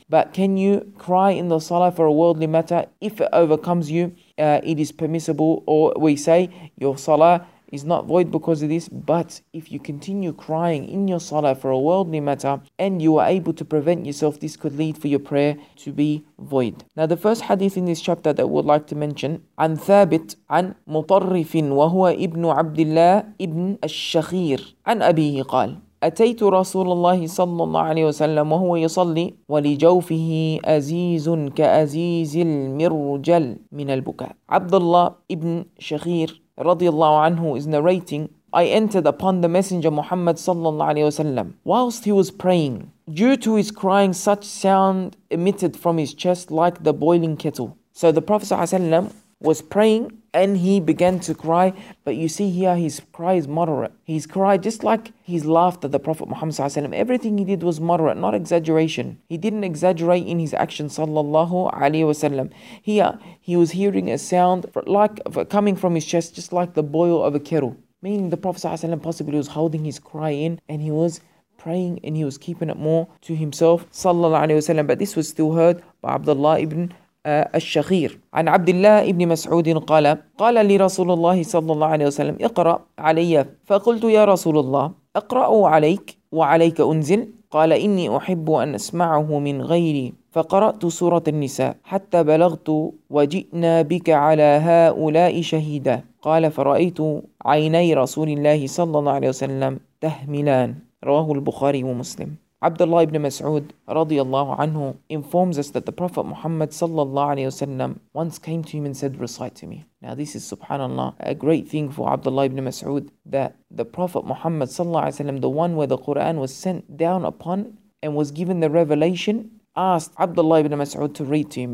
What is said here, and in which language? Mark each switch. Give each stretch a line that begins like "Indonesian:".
English: But can you cry in the salah for a worldly matter? If it overcomes you, it is permissible, or we say your salah is not void because of this, but if you continue crying in your salah for a worldly matter and you are able to prevent yourself, this could lead for your prayer to be void. Now the first hadith in this chapter that we'd like to mention,
Arabic: عن ثابت عن مطرف وهو ابن عبد الله ابن الشخير عن أبيه قال أتيت رسول الله صلى الله عليه وسلم وهو يصلي ولجوفه أزيز كأزيز المرجل من البكاء.
English: عبد الله ابن شخير
Arabic: رضي الله عنه
English: is narrating, I entered upon the messenger Muhammad
Arabic: صلى الله عليه وسلم
English: whilst he was praying. Due to his crying, such sound emitted from his chest like the boiling kettle. So the Prophet
Arabic: صلى الله عليه وسلم
English: was praying and he began to cry, but you see here his cry is moderate. His cry, just like his laughter, the Prophet Muhammad sallallahu alaihi wasallam, everything he did was moderate, not exaggeration. He didn't exaggerate in his action sallallahu alaihi wasallam. Here he was hearing a sound like coming from his chest, just like the boil of a kettle, meaning the Prophet sallallahu alaihi wasallam possibly was holding his cry in and he was praying and he was keeping it more to himself sallallahu alaihi wasallam. But this was still heard by Abdullah ibn
Arabic: الشخير عن عبد الله ابن مسعود قال قال لي رسول الله صلى الله عليه وسلم اقرأ علي فقلت يا رسول الله اقرأ عليك وعليك أنزل قال إني أحب أن أسمعه من غيري فقرأت سورة النساء حتى بلغت وجئنا بك على هؤلاء شهيدا قال فرأيت عيني رسول الله صلى الله عليه وسلم تهملان رواه البخاري ومسلم.
English: Abdullah ibn Mas'ud radiyallahu anhu informs us that the Prophet Muhammad sallallahu alayhi wasallam once came to him and said, recite to me. Now this is subhanallah a great thing for Abdullah ibn Mas'ud, that the Prophet Muhammad sallallahu alayhi wasallam, the one where the Quran was sent down upon and was given the revelation, asked Abdullah ibn Mas'ud to read to him.